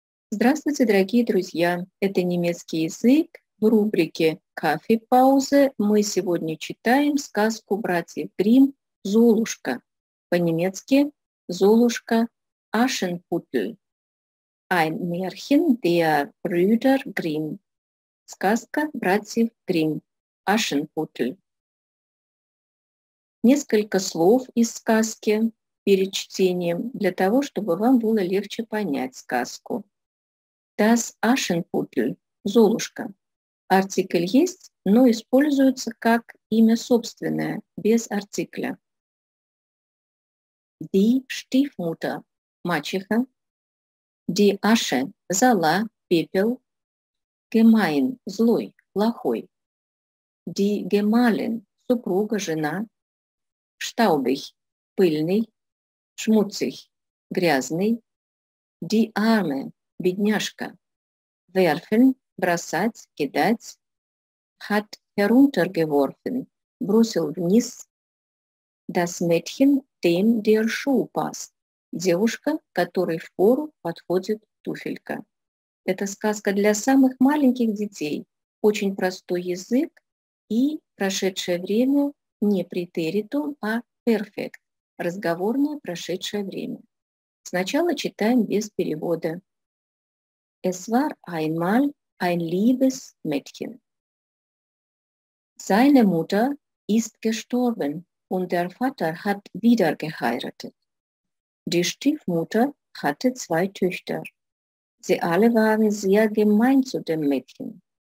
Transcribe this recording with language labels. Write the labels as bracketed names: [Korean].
[Russian] Здравствуйте, дорогие друзья! Это немецкий язык в рубрике «Кафе-паузы». Мы сегодня читаем сказку братьев Гримм «Золушка». По-немецки «Золушка Aschenputtel». [German] Ein Märchen der Brüder Grimm. [Russian] Сказка братьев Гримм «Aschenputtel». Несколько слов из сказки перед чтением, для того, чтобы вам было легче понять сказку. [German] Das Aschenputtel – Золушка. [Russian] Артикль есть, но используется как имя собственное, без артикля. [German] Die Stiefmutter – Мачеха. Die Asche – [Russian] Зола, Пепел. Gemein – Злой, Плохой. [German] Die Gemahlin – [Russian] Супруга, Жена. [German] Staubig – Пыльный. Schmutzig – Грязный. Die Arme – Бедняжка. [Russian] Werfen – бросать, кидать. [German] Hat heruntergeworfen – [Russian] бросил вниз. [German] Das Mädchen, dem der Schuh passt – [Russian] девушка, которой впору подходит туфелька. Это сказка для самых маленьких детей. Очень простой язык и прошедшее время не претеритум, а перфект – разговорное прошедшее время. Сначала читаем без перевода. [German] Es war einmal ein liebes Mädchen. Seine Mutter ist gestorben und der Vater hat wieder geheiratet. Die Stiefmutter hatte zwei Töchter. Sie alle waren sehr gemein zu dem Mädchen.